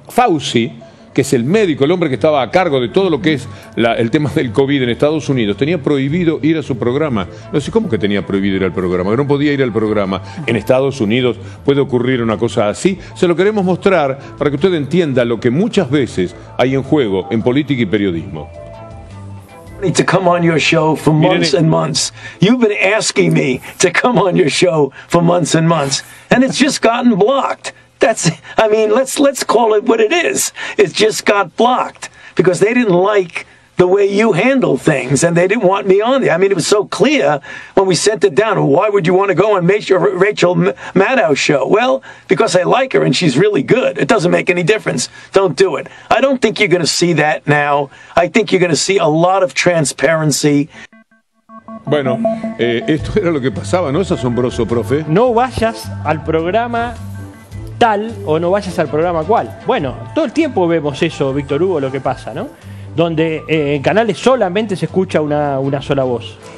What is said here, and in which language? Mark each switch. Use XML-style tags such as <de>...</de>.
<es>Fauci, que es el médico, el hombre que estaba a cargo de todo lo que es el tema del COVID en Estados Unidos, tenía prohibido ir a su programa. No sé cómo que tenía prohibido ir al programa, pero no podía ir al programa. En Estados Unidos puede ocurrir una cosa así. Se lo queremos mostrar para que usted entienda lo que muchas veces hay en juego en política y periodismo.</es> <en>To come on your show for months and months. You've been asking me to come on your show for months and months, and it's just gotten blocked. That's, I mean, let's call it what it is. It just got blocked because they didn't like the way you handle things and they didn't want me on there. I mean, it was so clear when we sent it down. Why would you want to go on Rachel Maddow show? Well, because I like her and she's really good. It doesn't make any difference. Don't do it. I don't think you're going to see that now. I think you're going to see a lot of transparency.</en> <es>Bueno, esto era lo que pasaba, ¿no? Es asombroso, profe. No vayas al programa tal o no vayas al programa cual. Bueno, todo el tiempo vemos eso, Víctor Hugo, lo que pasa, ¿no? Donde en canales solamente se escucha una sola voz.</es>